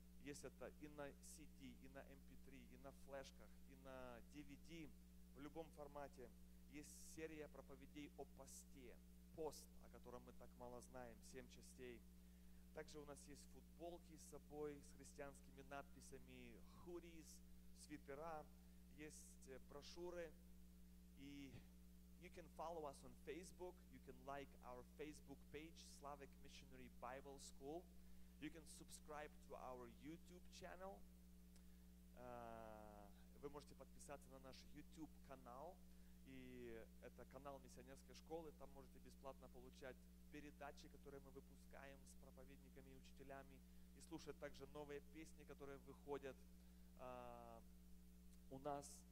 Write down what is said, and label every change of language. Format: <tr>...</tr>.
<ru>Есть это и на CD, и на MP3, и на флешках, и на DVD, в любом формате. Есть серия проповедей о посте. Пост, о котором мы так мало знаем, 7 частей. Также у нас есть футболки с собой, с христианскими надписями, хуриз, свитера, есть брошюры.</ru> <en>И you can follow us on Facebook, you can like our Facebook page, Slavic Missionary Bible School, you can subscribe to our YouTube channel.</en> <ru>вы можете подписаться на наш YouTube канал, и это канал Миссионерской школы, там можете бесплатно получать передачи, которые мы выпускаем с проповедниками и учителями, и слушать также новые песни, которые выходят у нас.</ru>